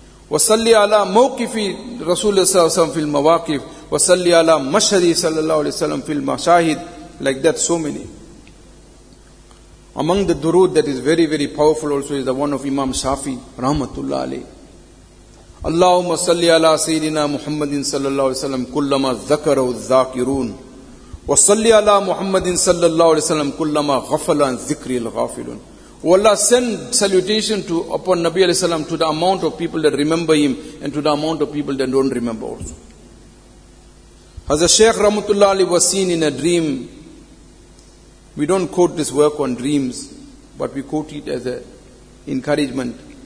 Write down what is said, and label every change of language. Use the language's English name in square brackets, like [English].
[Arabic] وصلي على موقف رسول الله صلى الله عليه وسلم في المواقف وصلي على مشهد صلى الله عليه وسلم في المشاهد. [English] Like that, so many. Among the durood that is very very powerful also is the one of Imam Shafi rahmatullah alayh. [Arabic] اللهم صل على سيدنا محمد صلى الله عليه وسلم كلما ذكر الذاكرون وصلي على محمد صلى الله عليه وسلم كلما غفل عن ذكر الغافلون. [English] O Allah, send salutation to upon Nabi alayhi salam to the amount of people that remember him and to the amount of people that don't remember also. Hazrat Shaykh Rahmatullah Ali was seen in a dream. We don't quote this work on dreams, but we quote it as an encouragement.